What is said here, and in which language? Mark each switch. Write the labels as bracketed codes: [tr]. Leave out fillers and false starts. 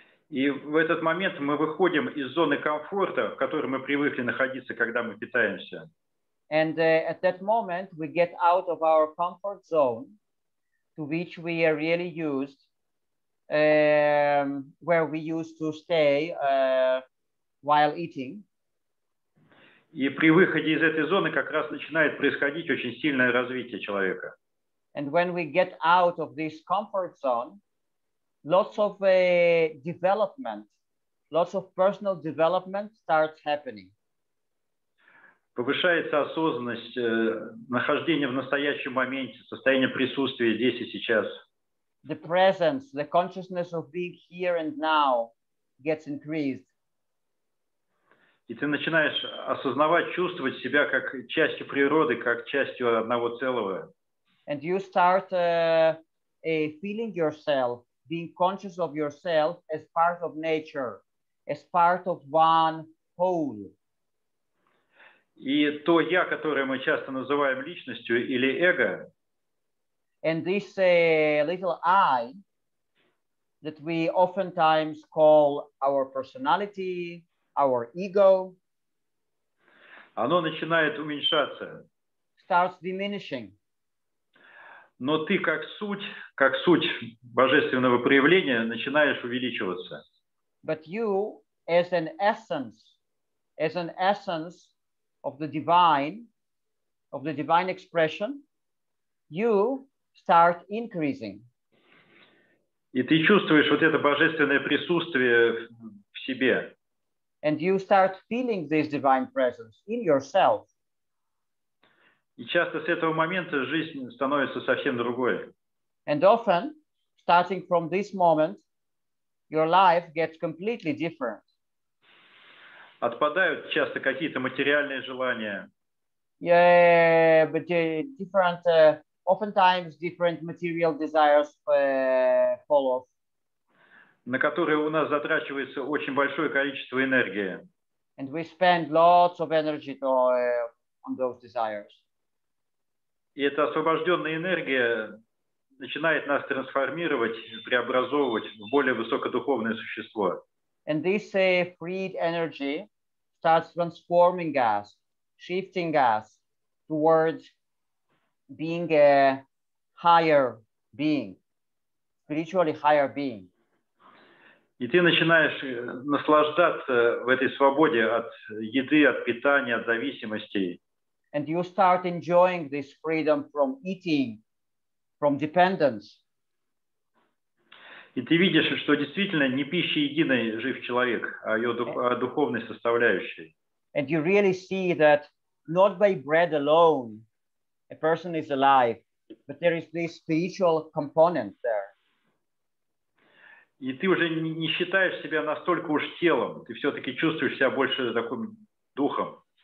[ru] И в этот момент мы выходим из зоны комфорта, в которой мы привыкли находиться, когда мы питаемся. [en] And at that moment we get out of our comfort zone to which we are really used, where we used to stay while eating. [ru] И при выходе из этой зоны как раз начинает происходить очень сильное развитие человека. [en] And when we get out of this comfort zone, lots of development, lots of personal development starts happening. [ru] Повышается осознанность, нахождение в настоящем моменте, состояние присутствия здесь и сейчас. [en] The presence, the consciousness of being here and now gets increased. [ru] И ты начинаешь осознавать, чувствовать себя как частью природы, как частью одного целого. [en] And you start feeling yourself, being conscious of yourself as part of nature, as part of one whole. [ru] И то я, которое мы часто называем личностью или эго. [en] And this little I that we oftentimes call our personality, our ego. [ru] Оно начинает уменьшаться. [en] Starts diminishing. [ru] Но ты как суть божественного проявления начинаешь увеличиваться. [en] But you as an essence of the divine expression, you start increasing. [ru] И ты чувствуешь вот это божественное присутствие в себе. [en] And you start feeling this divine presence in yourself. [ru] И часто с этого момента жизнь становится совсем другой. [en] And often, starting from this moment, your life gets completely different. [ru] Отпадают часто какие-то материальные желания. [en] Yeah, but different, oftentimes different material desires fall off. [ru] На которые у нас затрачивается очень большое количество энергии. [en] And we spend lots of energy on those desires. [ru] И эта освобожденная энергия начинает нас трансформировать, преобразовывать в более высокодуховное существо. [en] And this freed energy starts transforming us, shifting us towards being a higher being, spiritually higher being. [ru] И ты начинаешь наслаждаться в этой свободе от еды, от питания, от зависимостей. [en] And you start enjoying this freedom from eating, from dependence. [ru] И ты видишь, что действительно не пища единой жив человек, а ее духовной составляющей. [en] And you really see that not by bread alone a person is alive, but there is this spiritual component there. [ru] И ты уже не считаешь себя настолько уж телом, ты все-таки чувствуешь себя больше таким духом.